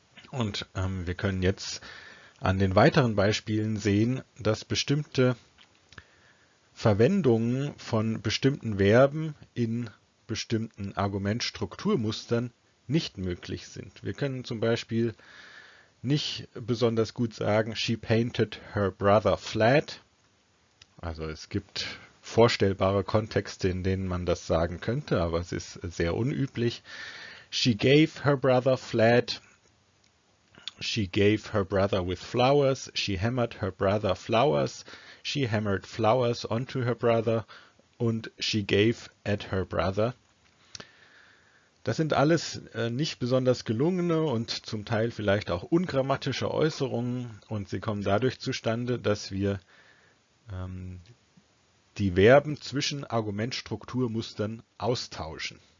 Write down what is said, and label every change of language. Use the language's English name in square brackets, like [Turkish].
[German] Und wir können jetzt an den weiteren Beispielen sehen, dass bestimmte Verwendungen von bestimmten Verben in bestimmten Argumentstrukturmustern nicht möglich sind. Wir können zum Beispiel nicht besonders gut sagen, [English] she painted her brother flat. [German] Also es gibt vorstellbare Kontexte, in denen man das sagen könnte, aber es ist sehr unüblich. [English] She gave her brother flat. She gave her brother with flowers. She hammered her brother flowers. She hammered flowers onto her brother. Und she gave at her brother. [German] Das sind alles nicht besonders gelungene und zum Teil vielleicht auch ungrammatische Äußerungen. Und sie kommen dadurch zustande, dass wir die Verben zwischen Argumentstrukturmustern austauschen.